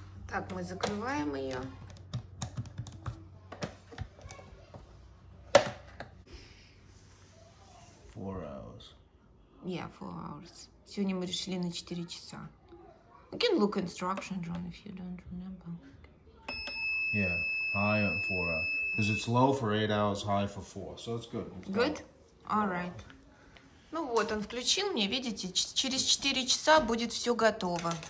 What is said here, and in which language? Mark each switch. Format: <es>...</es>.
<ru>Так, мы закрываем ее.</ru> <en>Four hours. Yeah, four hours.</en> <ru>Сегодня мы решили на 4 часа.</ru> <en>You can look instructions on if you don't remember. Yeah, high on 4 hours. Because it's low for 8 hours, high for 4. So it's good. It's good? Alright.</en> <ru>Ну вот, он включил мне, видите, через 4 часа будет все готово.</ru>